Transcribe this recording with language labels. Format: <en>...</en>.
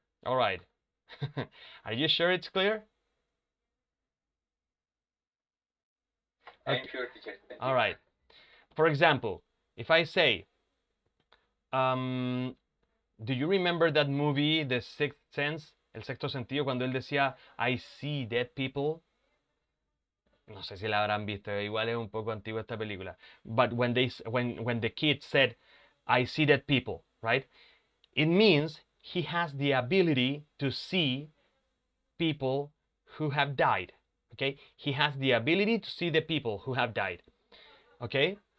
<en>All right. Are you sure it's clear? Okay. I'm sure, teacher. Thank all right. For example, if I say, do you remember that movie, The Sixth Sense?</en> <es>El sexto sentido, cuando él decía,</es> <en>I see dead people.</en> <es>No sé si la habrán visto, igual es un poco antigua esta película.</es> <en>But when the kid said, I see dead people, right? It means he has the ability to see people who have died, okay? He has the ability to see the people who have died, okay?</en>